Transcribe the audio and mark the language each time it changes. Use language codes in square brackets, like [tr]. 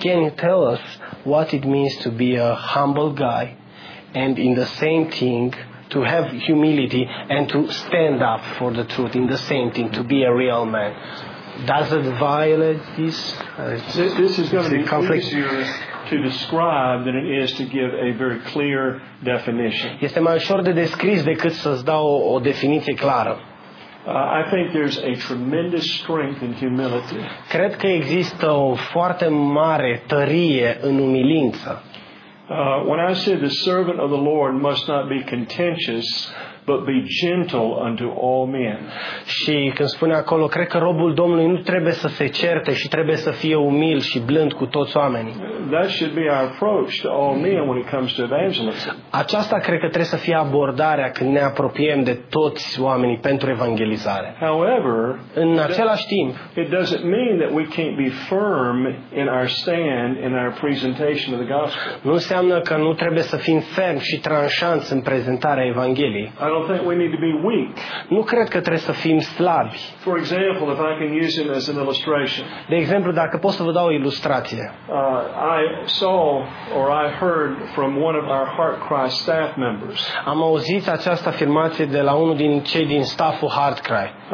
[en] Can you tell us what it means to be a humble guy and in the same thing to have humility and to stand up for the truth in the same thing, to be a real man? Does it violate this? This is going to be easier to describe than it is to give a very clear definition. [ro] Este mai ușor de descris decât să-ți dau o definiție clară. [en] I think there's a tremendous strength in humility. [ro] Cred că există o foarte mare tărie în umilință. [en] When I said the servant of the Lord must not be contentious, but be gentle unto all men. [ro] Și când spune acolo, cred că robul Domnului nu trebuie să se certe și trebuie să fie umil și blând cu toți oamenii. [en] That should be our approach to all men when it comes to evangelism. [ro] Aceasta cred că trebuie să fie abordarea când ne apropiem de toți oamenii pentru evangelizare. [en] However, [ro] în același timp, [en] it doesn't mean that we can't be firm in our stand in our presentation of the gospel. [ro] Nu înseamnă că nu trebuie să fim ferm și tranșanți în prezentarea Evangheliei. [en] I don't think we need to be weak. [ro] Nu cred că trebuie să fim slabi. [en] For example, if I can use him as an illustration. [ro] De exemplu, dacă pot să vă dau o ilustrație. [en] I heard from one of our Heart Cry staff members. [ro] Am auzit această afirmație de la unul din cei din stafful Heart Cry.